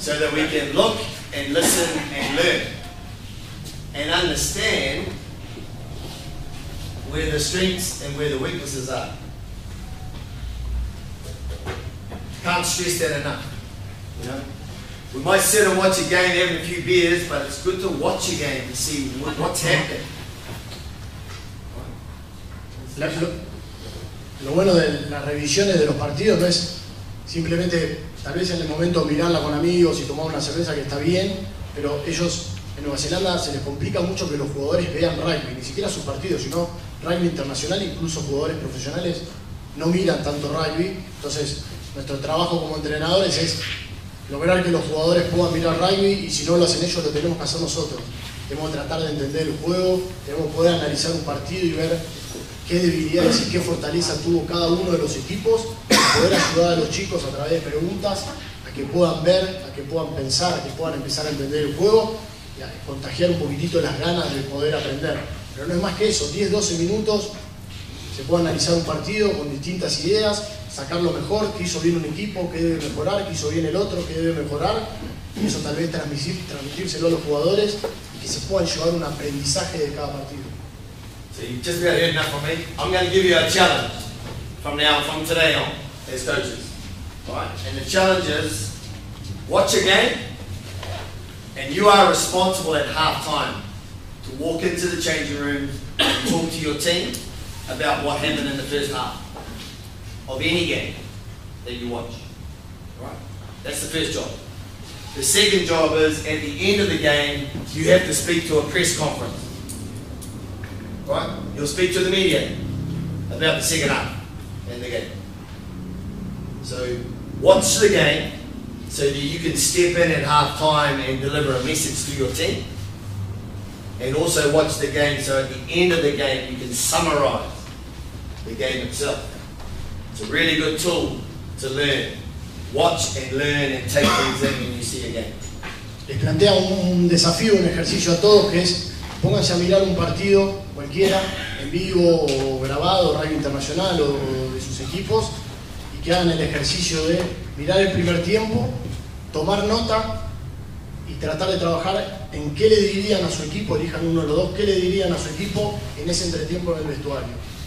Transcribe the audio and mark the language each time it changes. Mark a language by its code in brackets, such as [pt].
[en] So that we can look and listen and learn and understand where the strengths and where the weaknesses are. Can't stress that enough. You know? We might sit and watch a game and have a few beers, but it's good to watch a game to see what's happening. [es] Lo bueno de las revisiones de los partidos no es simplemente, tal vez en el momento, mirarla con amigos y tomar una cerveza que está bien, pero ellos en Nueva Zelanda se les complica mucho que los jugadores vean rugby, ni siquiera sus partidos, sino rugby internacional, incluso jugadores profesionales no miran tanto rugby. Entonces, nuestro trabajo como entrenadores es lograr que los jugadores puedan mirar rugby y si no lo hacen ellos, lo tenemos que hacer nosotros. Tenemos que tratar de entender el juego, tenemos que poder analizar un partido y ver qué debilidades y qué fortaleza tuvo cada uno de los equipos, poder ayudar a los chicos a través de preguntas, a que puedan ver, a que puedan pensar, a que puedan empezar a entender el juego y a contagiar un poquitito las ganas de poder aprender. Pero no es más que eso, 10-12 minutos, se puede analizar un partido con distintas ideas, sacar lo mejor, qué hizo bien un equipo, qué debe mejorar, qué hizo bien el otro, qué debe mejorar, y eso tal vez transmitírselo a los jugadores y que se pueda llevar un aprendizaje de cada partido. [en] So you just about heard enough from me. I'm going to give you a challenge from today on as coaches. Right? And the challenge is, watch a game and you are responsible at half time to walk into the changing room and talk to your team about what happened in the first half of any game that you watch. Right? That's the first job. The second job is, at the end of the game, you have to speak to a press conference. Right? You'll speak to the media. about the second half and the game. So watch the game so that you can step in at half time and deliver a message to your team. And also watch the game so at the end of the game you can summarize the game itself. It's a really good tool to learn. Watch and learn and take things in when you see a game. [es] Les plantea un desafío, un ejercicio a todos, que es pónganse a mirar un partido cualquiera, en vivo o grabado, radio internacional o de sus equipos, y que hagan el ejercicio de mirar el primer tiempo, tomar nota y tratar de trabajar en qué le dirían a su equipo, elijan uno de los dos, qué le dirían a su equipo en ese entretiempo en el vestuario.